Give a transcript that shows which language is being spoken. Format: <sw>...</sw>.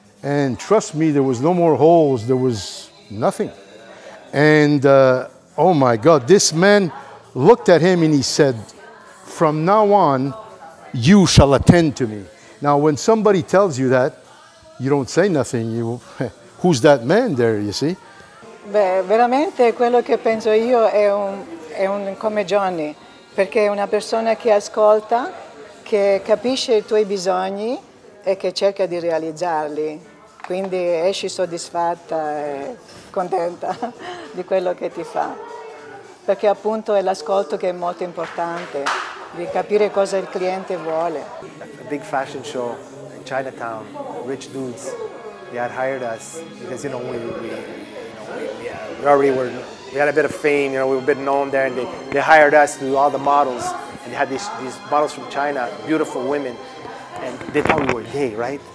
<en>And trust me, there was no more holes, there was nothing. And oh my God, this man looked at him and he said, "From now on, you shall attend to me." Now, when somebody tells you that, you don't say nothing. You, who's that man there, you see?</en> <it>Beh, veramente quello che penso io è un come Johnny, perché è una persona che ascolta, che capisce i tuoi bisogni e che cerca di realizzarli. Quindi esci soddisfatta e contenta di quello che ti fa. Perché appunto è l'ascolto che è molto importante, di capire cosa il cliente vuole.</it> <en>A big fashion show in Chinatown, rich dudes, they had hired us because, you know, we already had a bit of fame, you know, we were a bit known there, and they hired us to do all the models, and they had these models from China, beautiful women, and they thought we were gay, right?</en>